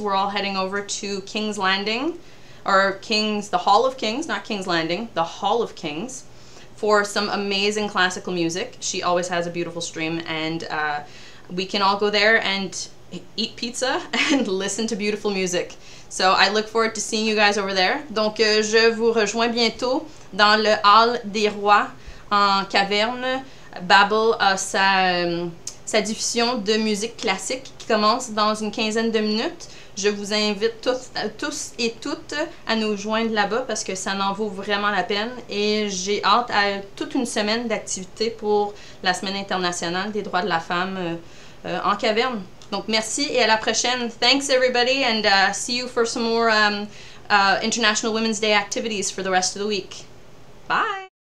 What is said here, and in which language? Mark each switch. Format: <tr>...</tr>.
<en>We're all heading over to King's Landing, or the Hall of Kings, for some amazing classical music. She always has a beautiful stream, and we can all go there and eat pizza and listen to beautiful music. So I look forward to seeing you guys over there.</en> <fr>Donc, je vous rejoins bientôt dans le Hall des Rois en caverne. Babbel a sa diffusion de musique classique qui commence dans une quinzaine de minutes. Je vous invite tous et toutes à nous joindre là-bas parce que ça en vaut vraiment la peine. Et j'ai hâte à toute une semaine d'activités pour la Semaine internationale des droits de la femme en caverne. Donc, merci et à la prochaine.</fr> <en>Thanks, everybody, and see you for some more International Women's Day activities for the rest of the week. Bye!</en>